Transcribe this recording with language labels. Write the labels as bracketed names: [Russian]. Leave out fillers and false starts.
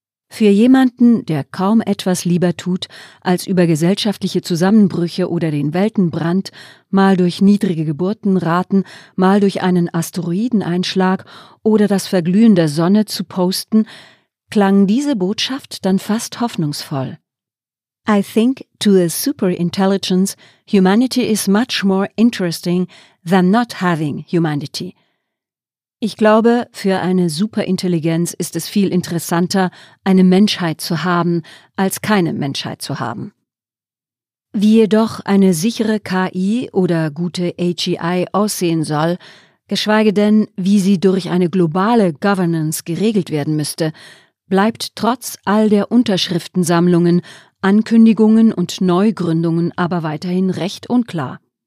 [German] Für jemanden, der kaum etwas lieber tut, als über gesellschaftliche Zusammenbrüche oder den Weltenbrand, mal durch niedrige Geburtenraten, mal durch einen Asteroideneinschlag oder das Verglühen der Sonne zu posten, klang diese Botschaft dann fast hoffnungsvoll. [English] I think to a superintelligence, humanity is much more interesting than not having humanity. [German] Ich glaube, für eine Superintelligenz ist es viel interessanter, eine Menschheit zu haben, als keine Menschheit zu haben. Wie jedoch eine sichere KI oder gute AGI aussehen soll, geschweige denn, wie sie durch eine globale Governance geregelt werden müsste, bleibt trotz all der Unterschriftensammlungen, Ankündigungen und Neugründungen aber weiterhin recht unklar.